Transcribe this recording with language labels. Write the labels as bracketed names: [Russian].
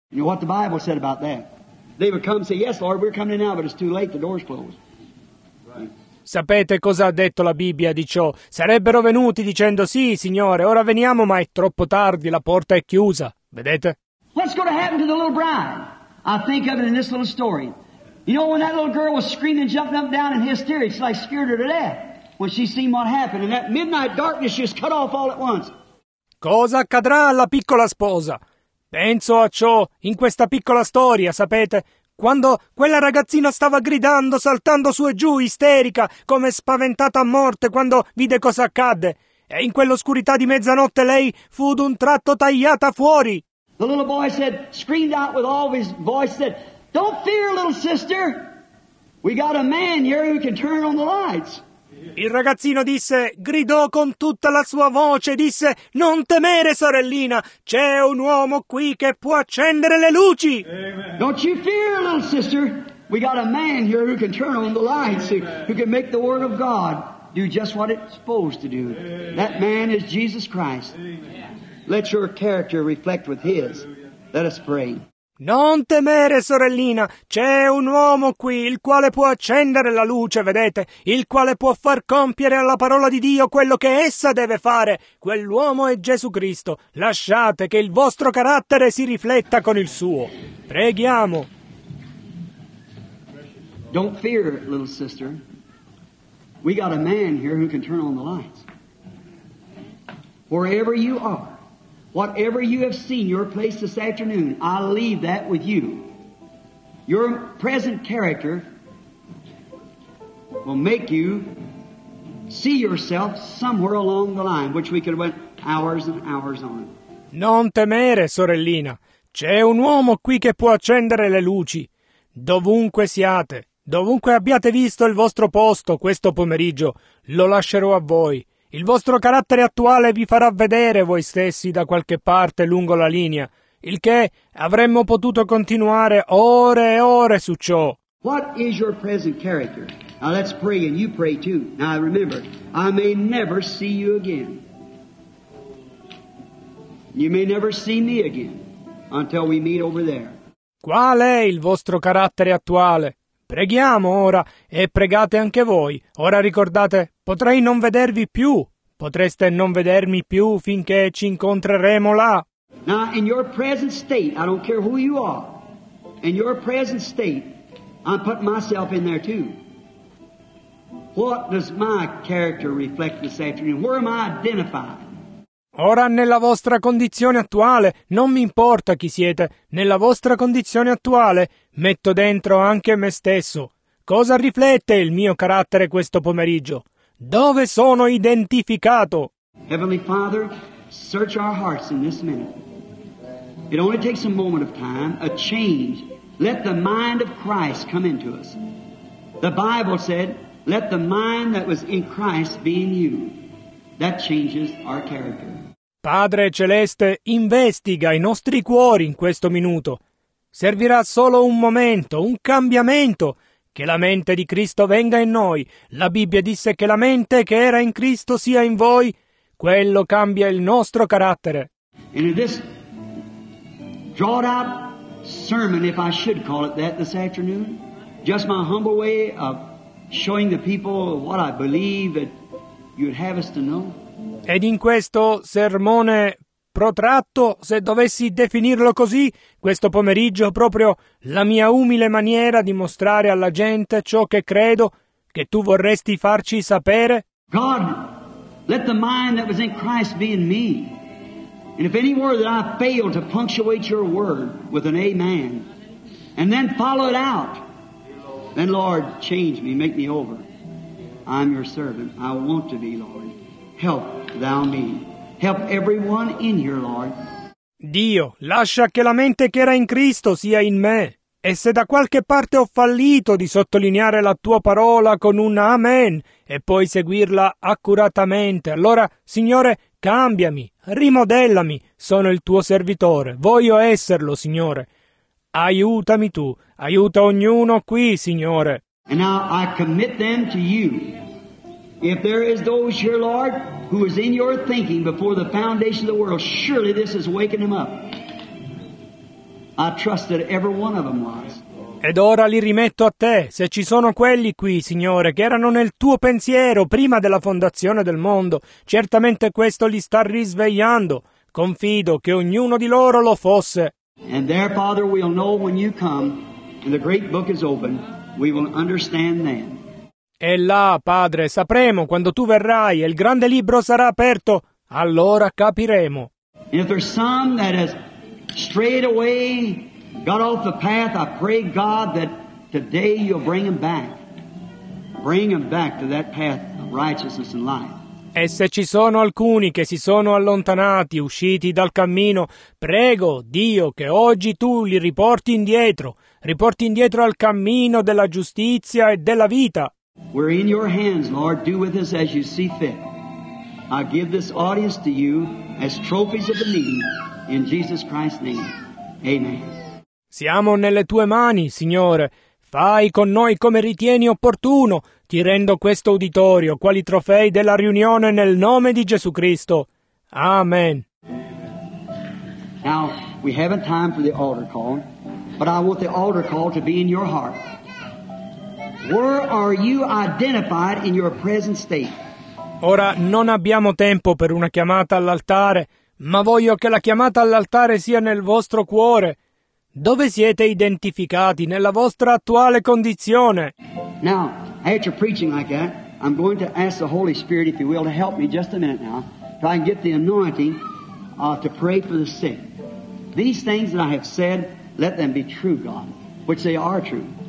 [English] You know what the Bible said about that? They would come and say, yes Lord, we're coming in now, but it's too late, the door's closed. [Italian] Sapete cosa ha detto la Bibbia di ciò? Sarebbero venuti dicendo, sì, Signore, ora veniamo, ma è troppo tardi, la porta è chiusa. Vedete? [English] What's going to happen to the little bride? I think of it in this little story. You know, when that little girl was screaming, jumping up and down in hysterics, like scared her to death, when she seen what happened, and that midnight darkness just cut off all at once. [Italian] Cosa accadrà alla piccola sposa? Penso a ciò in questa piccola storia, sapete? Quando quella ragazzina stava gridando, saltando su e giù, isterica, come spaventata a morte, quando vide cosa accadde. E in quell'oscurità di mezzanotte lei fu d'un tratto tagliata fuori. [English] The little boy said, screamed out with all of his voice, said, don't fear, little sister. We got a man here who can turn on the lights. [Italian] Il ragazzino disse, gridò con tutta la sua voce, disse, non temere sorellina, c'è un uomo qui che può accendere le luci. [English] Amen. Don't you fear, little sister, we got a man here who can turn on the lights, who can make the word of God do just what it's supposed to do. Amen. That man is Jesus Christ. Amen. Let your character reflect with his. Hallelujah. Let us pray. [Italian] Non temere, sorellina, c'è un uomo qui il quale può accendere la luce, vedete? Il quale può far compiere alla parola di Dio quello che essa deve fare. Quell'uomo è Gesù Cristo. Lasciate che il vostro carattere si rifletta con il suo. Preghiamo. [English] Don't fear, little sister. We got a man here who can turn on the lights. Wherever you are. Whatever you have seen your place this afternoon, I leave that with you. Your present character will make you see yourself somewhere along the line, which we could have went hours and hours on. [Italian] Non temere, sorellina. C'è un uomo qui che può accendere le luci. Dovunque siate, dovunque abbiate visto il vostro posto questo pomeriggio, lo lascerò a voi. Il vostro carattere attuale vi farà vedere voi stessi da qualche parte lungo la linea, il che avremmo potuto continuare ore e ore su ciò. [English] What is your present character? Now let's pray and you pray too. Now remember, I may never see you again. You may never see me again until we meet over there. [Italian] Qual è il vostro carattere attuale? Preghiamo ora e pregate anche voi. Ora ricordate, potrei non vedervi più. Potreste non vedermi più finché ci incontreremo là. [English] Now, in your present state, I don't care who you are, in your present state, I'm putting myself in there too. What does my character reflect this afternoon? Where am I identified? [Italian] Ora, nella vostra condizione attuale, non mi importa chi siete, nella vostra condizione attuale metto dentro anche me stesso. Cosa riflette il mio carattere questo pomeriggio? Dove sono identificato? [English] Heavenly Father, search our hearts in this minute. It only takes a moment of time, a change. Let the mind of Christ come into us. The Bible said, let the mind that was in Christ be in you. That changes our character. [Italian] Padre Celeste, investiga i nostri cuori in questo minuto. Servirà solo un momento, un cambiamento, che la mente di Cristo venga in noi. La Bibbia disse che la mente che era in Cristo sia in voi. Quello cambia il nostro carattere. [English] And in this drawn out sermon, if I should call it that, this afternoon, just my humble way of showing the people what I believe that you'd have us to know. [Italian] Ed in questo sermone protratto, se dovessi definirlo così, questo pomeriggio, proprio la mia umile maniera di mostrare alla gente ciò che credo che tu vorresti farci sapere. [English] God, let the mind that was in Christ be in me. And if any word that I fail to punctuate your word with an amen, and then follow it out, then Lord, change me, make me over. I'm your servant. I want to be, Lord. Help thou me. Help everyone in here, Lord. [Italian] Dio, lascia che la mente che era in Cristo sia in me. E se da qualche parte ho fallito di sottolineare la tua parola con un amen e poi seguirla accuratamente, allora, Signore, cambiami, rimodellami. Sono il tuo servitore. Voglio esserlo, Signore. Aiutami tu. Aiuta ognuno qui, Signore. [English] And now I commit them to you. If there is those here, Lord, who is in your thinking before the foundation of the world, surely this is waking them up. I trust that every one of them was. [Italian] Ed ora li rimetto a te, se ci sono quelli qui, Signore, che erano nel tuo pensiero prima della fondazione del mondo, certamente questo li sta risvegliando. Confido che ognuno di loro lo fosse. [English] And there, Father, we'll know when you come and the great book is open. We will understand then. [Italian] E là, Padre, sapremo quando tu verrai e il grande libro sarà aperto, allora capiremo. [English] If there's some that has strayed away, got off the path, I pray God that today you'll bring them back. Bring them back to that path of righteousness and life. [Italian] E se ci sono alcuni che si sono allontanati, usciti dal cammino, prego, Dio, che oggi tu li riporti indietro. Riporti indietro al cammino della giustizia e della vita. [English] We're in your hands, Lord. Do with us as you see fit. I give this audience to you as trophies of the meeting in Jesus Christ's name. Amen. [Italian] Siamo nelle tue mani, Signore. Fai con noi come ritieni opportuno. Ti rendo questo uditorio quali trofei della riunione nel nome di Gesù Cristo. Amen. [English] Now, we haven't time for the altar call, but I want the altar call to be in your heart. Where are you identified in your present state? [Italian] Ora non abbiamo tempo per una chiamata all'altare, ma voglio che la chiamata all'altare sia nel vostro cuore. Dove siete identificati nella vostra attuale condizione? [English] Now, after preaching like that, I'm going to ask the Holy Spirit, if you will, to help me just a minute now, so I can get the anointing to pray for the sick. These things that I have said, let them be true, God, which they are true.